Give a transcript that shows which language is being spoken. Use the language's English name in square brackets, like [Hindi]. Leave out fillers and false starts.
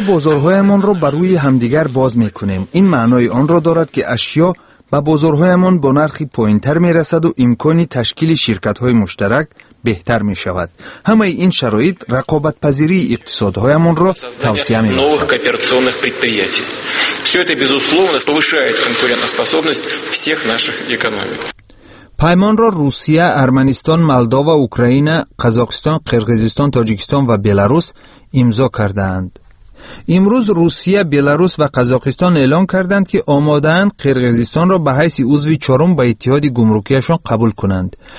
[Persian] بازارهایمون رو بر روی همدیگر باز میکنیم. این معنای آن را دارد که اشیا به بازارهایمون با نرخی پایین‌تر میرسد و امکانی تشکیل شرکت‌های مشترک بهتر میشود. همه این شرایط رقابت پذیری اقتصادهایمون را توسعه میدهد. [Russian] Все это безусловно повышает конкурентоспособность всех наших экономик. [Persian] پیمان را روسیه، ارمنستان، مولداو، اوکراین، قزاقستان، قرقیزستان، تاجیکستان و بلاروس امضا کردند. امروز روسیه، بلاروس و قزاقستان اعلام کردند که آماده‌اند قرقیزستان را به حیث عضو چهارم به اتحاد گمرکیشان قبول کنند.